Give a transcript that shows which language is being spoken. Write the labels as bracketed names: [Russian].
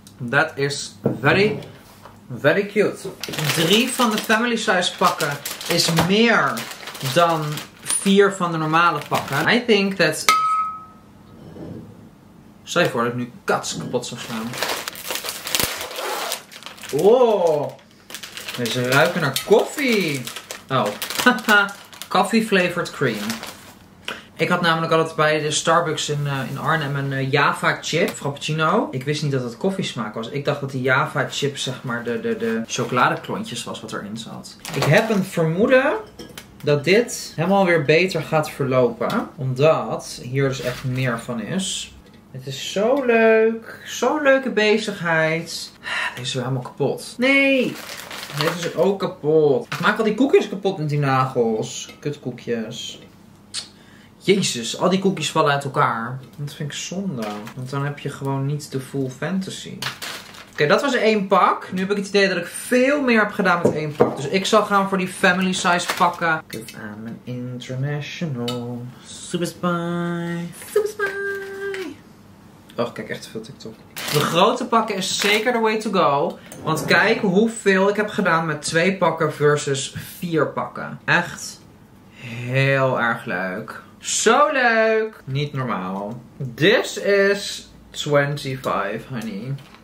[English] That is very, very cute. [Dutch] 3 van de family size pakken is meer dan 4 van de normale pakken. [English] I think that... [Dutch] Stel je voor dat ik nu kats kapot zou slaan. Oh, deze ruiken naar koffie. [English] Oh, coffee flavored cream. [Dutch] Ik had namelijk altijd bij de Starbucks in Arnhem een Java chip, frappuccino. Ik wist niet dat het koffiesmaak was. Ik dacht dat die Java chip zeg maar de chocoladeklontjes was wat erin zat. Ik heb een vermoeden dat dit helemaal weer beter gaat verlopen. Omdat hier dus echt meer van is. Het is zo leuk. Zo'n leuke bezigheid. Deze is wel helemaal kapot. Nee. Deze is ook kapot. Ik maak al die koekjes kapot met die nagels. Kutkoekjes. Jezus, al die koekjes vallen uit elkaar. Dat vind ik zonde. Want dan heb je gewoon niet de full fantasy. Oké, dat was 1 pak. Nu heb ik het idee dat ik veel meer heb gedaan met 1 pak. Dus ik zal gaan voor die family size pakken. [English] Give them an international super spy. Super spy. [Dutch] Oh, kijk echt veel TikTok. De grote pakken is zeker [English] the way to go. [Dutch] Want kijk hoeveel ik heb gedaan met 2 pakken versus 4 pakken. Echt heel erg leuk. Zo leuk. Niet normaal. [English] This is 25, honey.